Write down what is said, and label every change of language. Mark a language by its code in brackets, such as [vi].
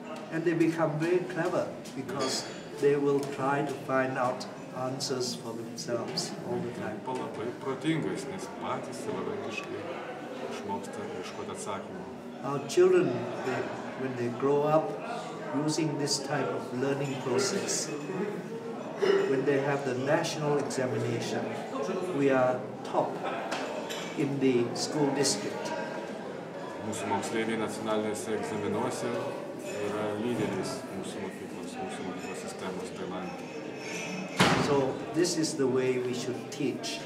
[en] And they become very clever because they will try to find out answers for themselves all the time. [lt] Labai protingas, nes patys savarankiškai išmoksta iškoti atsakymą. [en] Our children, when they grow up using this type of learning process, when they have the national examination, we are top in the school district. [lt] Mūsų moksleiviai nacionalinėse egzaminuose yra lyderis mūsų mokyklos, sistemos Tailande. [en] So this is the way we should teach.